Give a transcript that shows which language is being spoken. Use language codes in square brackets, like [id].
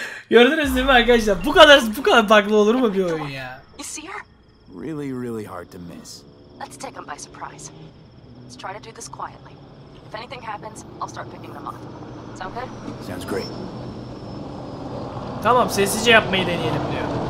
[tr] Gördünüz değil mi arkadaşlar? Bu kadar bug'lı olur mu bir oyun ya? [en] You see her? Really, really hard to miss. Let's take them by surprise. Let's try to do this quietly. If anything happens, I'll start picking them up. Sound good? Sounds great. [tr] Tamam, sessizce yapmayı deneyelim diyor.